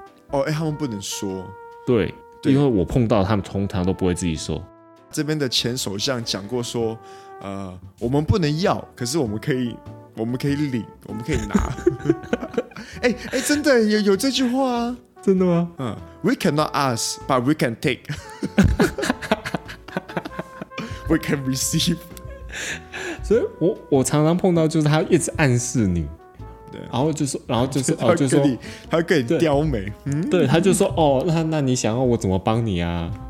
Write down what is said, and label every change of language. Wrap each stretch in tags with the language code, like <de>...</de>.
<zh>哦，欸，他们不能说。对。因为我碰到他们通常都不会自己说，这边的前首相讲过说，我们不能要，可是我们可以领，我们可以拿。哎、欸欸，真的 有这句话啊？真的吗？</zh> <en>嗯 ，We cannot ask, but we can take. We can receive.</en> <zh>所以我常常碰到就是他一直暗示你。然后就说，然后就是哦，就说他跟你刁美，对，他就说哦，那你想要我怎么帮你啊？</zh>